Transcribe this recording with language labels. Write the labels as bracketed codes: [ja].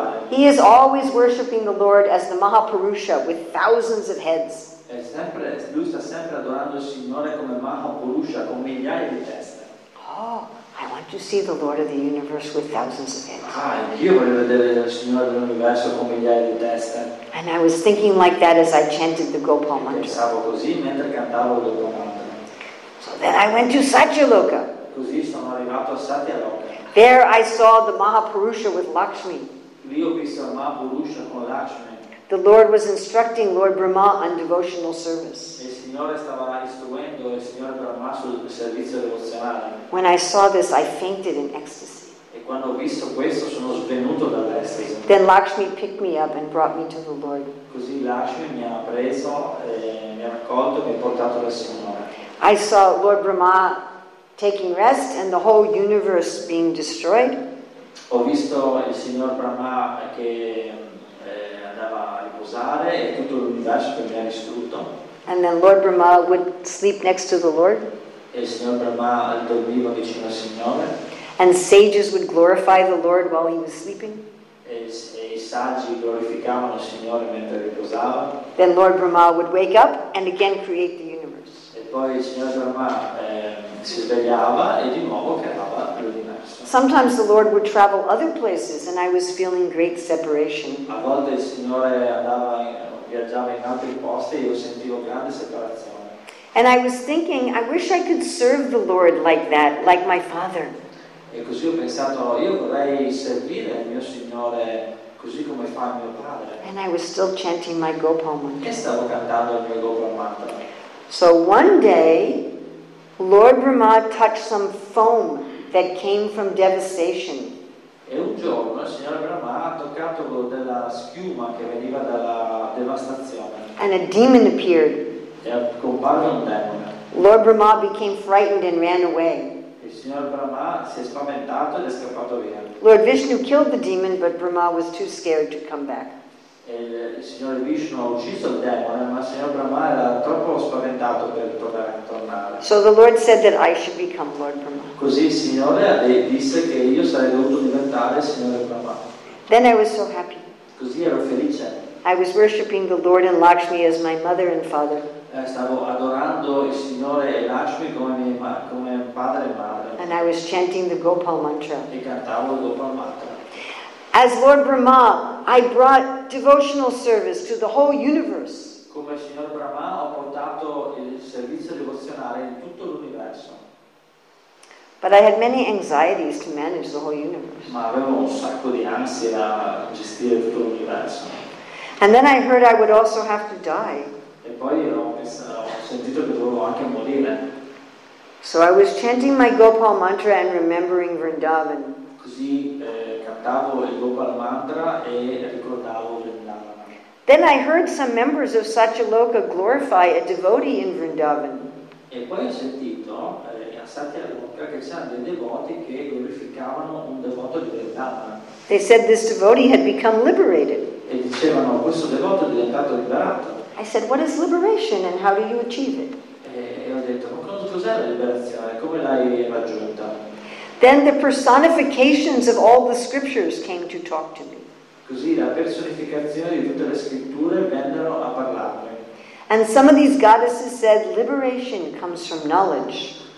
[en] He is always worshiping the Lord as the Mahapurusha with thousands of heads. [it] Lui sta sempre adorando il Signore come Mahapurusha con migliaia di teste. [en] Oh, I want to see the Lord of the Universe with thousands of heads. [it] Ah, io voglio vedere il Signore dell'Universo con migliaia di teste. [en] And I was thinking like that as I chanted the Gopal mantra. [it] Pensavo così mentre cantavo il Gopal mantra. [en] So then I went to Satyaloka. [it] Così sono arrivato a Satyaloka. [en] There I saw the Mahapurusha with Lakshmi. [it] Io visto il Mahapurusha con Lakshmi. [en] The Lord was instructing Lord Brahma on devotional service. [it] Il Signore stava istruendo il Signor Brahma sul servizio devozionale. [en] When I saw this, I fainted in ecstasy. [it] E quando ho visto questo, sono svenuto dall'estasi. [en] Then Lakshmi picked me up and brought me to the Lord. [it] Così Lakshmi mi ha preso, mi ha raccolto e mi ha portato dal Signore. [en] I saw Lord Brahma taking rest and the whole universe being destroyed. [it] Ho visto il Signor Brahma che andava a riposare e tutto l'universo che mi ha distrutto. [en] And then Lord Brahma would sleep next to the Lord. [it] E il Signor Brahma dormiva vicino al Signore. [en] And sages would glorify the Lord while he was sleeping. [it] E i saggi glorificavano il Signore mentre riposava. [en] Then Lord Brahma would wake up and again create the universe. [it] E poi il Signor Brahma si svegliava e di nuovo creava l'universo. [en] Sometimes the Lord would travel other places and I was feeling great separation. [it] A volte il Signore viaggiava in altri posti e io sentivo grande separazione. [en] And I was thinking, I wish I could serve the Lord like that, like my father. [it] E così ho pensato, io vorrei servire il mio Signore così come fa mio padre. [en] And I was still chanting my Gopal mantra. [it] E stavo cantando il mio Gopal mantra. [en] So one day Lord Brahma touched some foam that came from devastation. [it] E un giorno il Signore Brahma ha toccato della schiuma che veniva dalla devastazione. [en] And a demon appeared. [it] E comparve un demone. [en] Lord Brahma became frightened and ran away. [it] Il Signore Brahma si è spaventato ed è scappato via. [en] Lord Vishnu killed the demon, but Brahma was too scared to come back. [it] Il Signore Vishnu ha ucciso il demone, ma il Signore Brahma era troppo spaventato per tornare. [en] So the Lord said that I should become Lord Brahma. [it] Così il Signore disse che io sarei dovuto diventare Signore Brahma. [en] Then I was so happy. [it] Così ero felice. [en] I was worshiping the Lord and Lakshmi as my mother and father. [it] Stavo adorando il Signore e Lakshmi come padre e madre. [en] And I was chanting the Gopal mantra. [it] E cantavo il Gopal mantra. [en] As Lord Brahma, I brought devotional service to the whole universe. [it] Come Signor Brahma ho portato il servizio devozionale in tutto l'universo. [en] But I had many anxieties to manage the whole universe. [it] Ma avevo un sacco di ansia da gestire tutto l'universo. [en] And then I heard I would also have to die. [it] E poi ho sentito che dovevo anche morire. [en] So I was chanting my Gopal mantra and remembering Vrindavan. [it] Così cantavo il Gopal mantra e ricordavo Vrindavan. [en] Then I heard some members of Satyaloka glorify a devotee in Vrindavan. [it] E poi ho sentito a Satyaloka che c'erano dei devoti che glorificavano un devoto di Vrindavan. [en] They said this devotee had become liberated. [it] E dicevano questo devoto è diventato liberato. [en] I said, what is liberation and how do you achieve it? [it] E ho detto, ma cos'è la liberazione? Come l'hai raggiunta? [en] Then the personifications of all the scriptures came to talk to me. [it] Così la personificazione di tutte le scritture vennero a parlarmi. [en] And some of these goddesses said, liberation comes from knowledge.